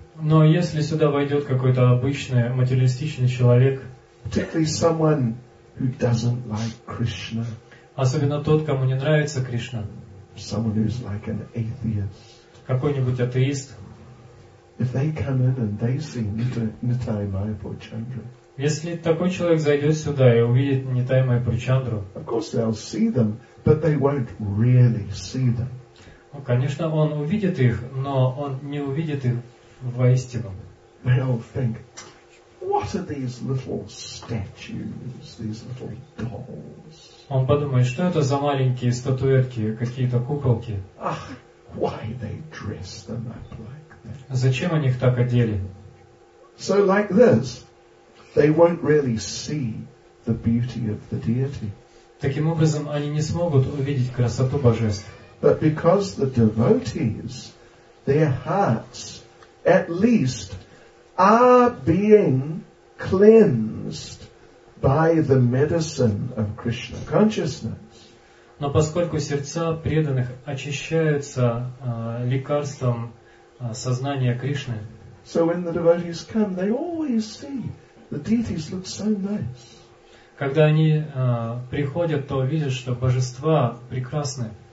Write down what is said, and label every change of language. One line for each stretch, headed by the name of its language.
Russian: Но если сюда войдет какой-то обычный материалистичный человек,
English: particularly someone who doesn't like Krishna,
Russian: особенно тот, кому не нравится Кришна,
English: someone who's like an atheist,
Russian: какой-нибудь атеист,
English: if they come in and they see Nitai Mayapur Chandra,
Russian: если такой человек зайдет сюда и увидит Nitai Mayapur Chandra,
English: of course they'll see them, but they won't really see them.
Russian: Конечно, он увидит их, но он не увидит их воистину.
English: They all think, what are these little statues, these little dolls?
Russian: Он подумает, что это за маленькие статуэтки, какие-то куколки?
English: Ah, why they dress them up like that?
Russian: Зачем они их так одели?
English: So like this, they won't really see the beauty of the deity.
Russian: Таким образом, они не смогут увидеть красоту божеств.
English: But because the devotees, their hearts, at least, are being cleansed by the medicine of Krishna consciousness.
Russian: Но поскольку сердца преданных очищаются лекарством сознания Кришны.
English: So when the devotees come, they always see the deities look so nice.
Russian: Когда они приходят, то видят, что божества прекрасны.